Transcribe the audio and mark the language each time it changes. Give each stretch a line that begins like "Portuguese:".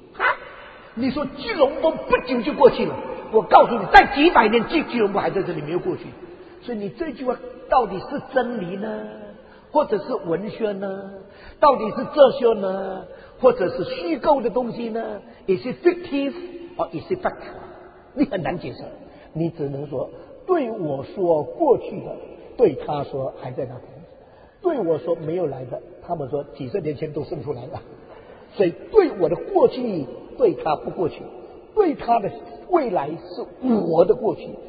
Chinese: 哈，你说吉隆坡不久就过去了，我告诉你，在几百年吉隆坡还在这里没有过去。所以你这句话到底是真理呢，或者是文学呢，到底是哲学呢，或者是虚构的东西呢？
English: Is it fictive or is it factual？
Chinese: 你很难解释，你只能说对我说过去的，对他说还在那边，对我说没有来的，他们说几十年前都生出来了，所以对我的过去对他不过去，对他的未来是我的过去。